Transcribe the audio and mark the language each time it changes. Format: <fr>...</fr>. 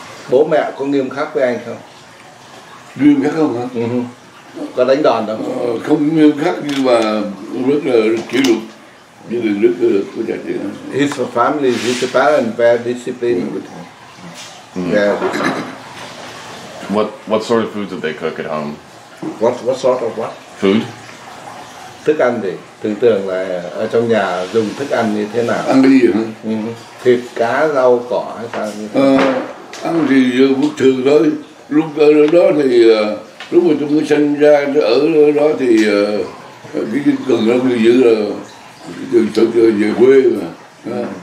<vi>Bố mẹ có nghiêm khắc với anh không? Nghiêm khắc không hả? Có đánh đòn không? Không nghiêm khắc nhưng mà rất là kỷ luật. Như là rất là có trả tiền.</vi> <en>His family, his parents, very disciplined with him. What sort of foods did they cook at home? What sort of what? Food.</en> <vi>Thức ăn gì? Thường thường là ở trong nhà dùng thức ăn như thế nào? Ăn cái gì hả? Thịt, cá, rau, cỏ hay sao? Ăn thì bức thường thôi. Lúc đó thì, lúc mà tôi mới sinh ra ở đó thì cái cần đó thì giữ là từ về quê mà.</vi>